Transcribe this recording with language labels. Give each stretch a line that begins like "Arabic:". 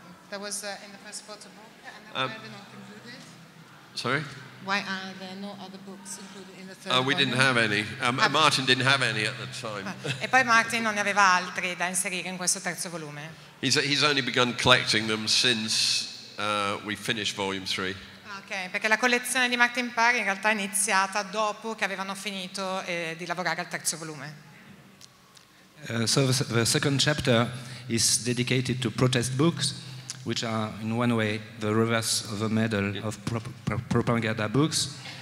English: That was in the first photobook, and why are they not included? Sorry? Why are there no other books included in the third We didn't have any. Martin didn't have any at the time.
Italian: E poi Martin non ne aveva altri da inserire in questo terzo volume.
English: He's only begun collecting them since we finished volume 3.
Italian: Okay, perché la collezione di Martin Parr in realtà è iniziata dopo che avevano finito di lavorare al terzo volume.
English: So the second chapter is dedicated to protest books, which are, in one way, the reverse of a medal of propaganda books.